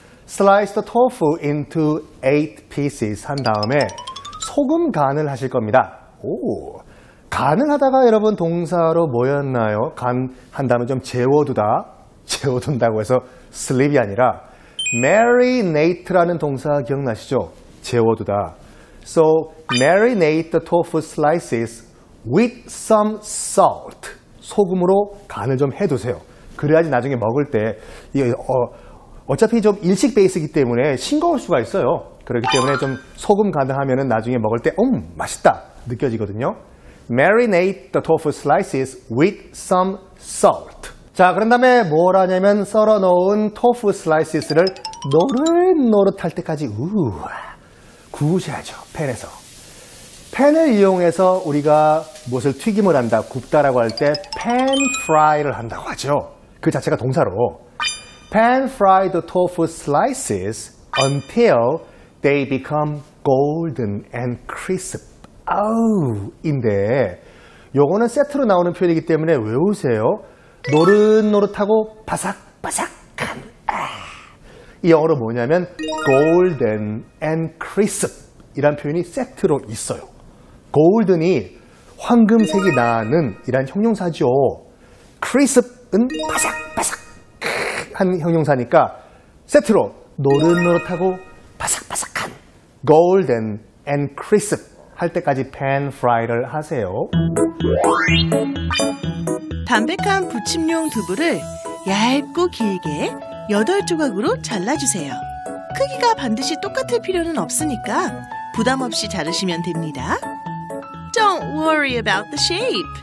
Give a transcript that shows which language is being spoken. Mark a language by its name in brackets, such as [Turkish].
[English] Slice the tofu into 8 pieces [Korean] 한 다음에 소금 간을 하실 겁니다. 오, 간을 하다가 여러분 동사로 뭐였나요? 간 한 다음에 좀 재워두다, 재워둔다고 해서 sleep이 아니라 marinate라는 동사 기억나시죠? 재워두다. [English] So marinate the tofu slices with some salt. [Korean] 소금으로 간을 좀 해두세요. 그래야지 나중에 먹을 때 어차피 좀 일식 베이스이기 때문에 싱거울 수가 있어요. 그렇기 때문에 좀 소금 간을 하면은 나중에 먹을 때 맛있다 느껴지거든요. [English] Marinate the tofu slices with some salt. [Korean] 자, 그런 다음에 뭘 하냐면 썰어놓은 토프 슬라이시스를 노릇노릇할 때까지 구우셔야죠, 팬에서. 팬을 이용해서 우리가 무엇을 튀김을 한다, 굽다라고 할 때 팬 프라이를 한다고 하죠. 그 자체가 동사로 [English] Pan fry the tofu slices until they become golden and crisp. [Korean] 인데 요거는 세트로 나오는 표현이기 때문에 외우세요. 노릇노릇하고 바삭바삭한 이 영어로 뭐냐면 golden and crisp 이란 표현이 세트로 있어요. golden이 황금색이 나는 이란 형용사죠. crisp은 바삭바삭한 형용사니까 세트로 노릇노릇하고 바삭바삭한 golden and crisp 할 때까지 팬 프라이를 하세요. 담백한 부침용 두부를 얇고 길게 8조각으로 잘라주세요. 크기가 반드시 똑같을 필요는 없으니까 부담 없이 자르시면 됩니다. [English] Don't worry about the shape.